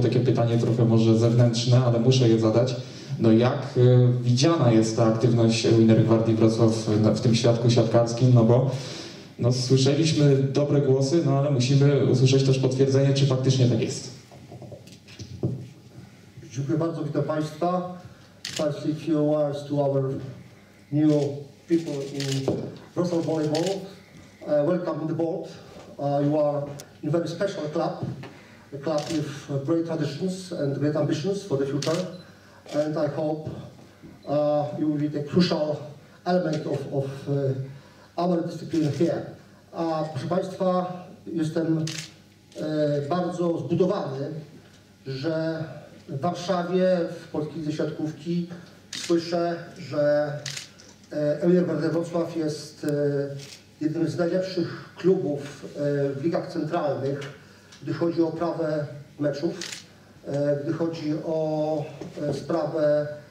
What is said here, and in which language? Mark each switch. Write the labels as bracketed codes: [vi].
[pl] Takie pytanie trochę może zewnętrzne, ale muszę je zadać. No jak widziana jest ta aktywność eWinner Gwardii Wrocław w tym świadku siatkarskim? No bo no, słyszeliśmy dobre głosy, no ale musimy usłyszeć też potwierdzenie, czy faktycznie tak jest. Dziękuję bardzo, witam Państwa. [en] Pass a few words to our new people in Wrocław Volleyball. Welcome on the board. You are in a very special club, a club with great traditions and great ambitions for the future. And I hope you will be the crucial element of our discipline here. [pl] A proszę Państwa, jestem bardzo zbudowany, że w Warszawie, w polskiej lidze siatkówki słyszę, że Elier Werder Wrocław jest jednym z najlepszych klubów w ligach centralnych, gdy chodzi o prawę meczów, gdy chodzi o sprawę